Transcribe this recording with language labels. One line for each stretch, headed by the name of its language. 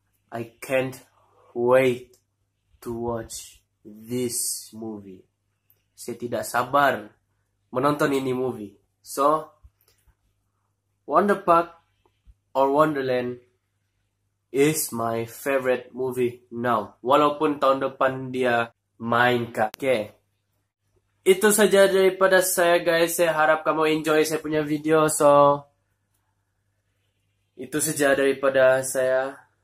English: I can't wait to watch this movie.
Malay: Saya tidak sabar menonton ini movie.
English: So, Wonderpark or Wonderland is my favorite movie now.
Malay: Walaupun tahun depan dia main kak. Okay. Itu saja daripada saya, guys. Saya harap kamu enjoy saya punya video. So, itu saja daripada saya.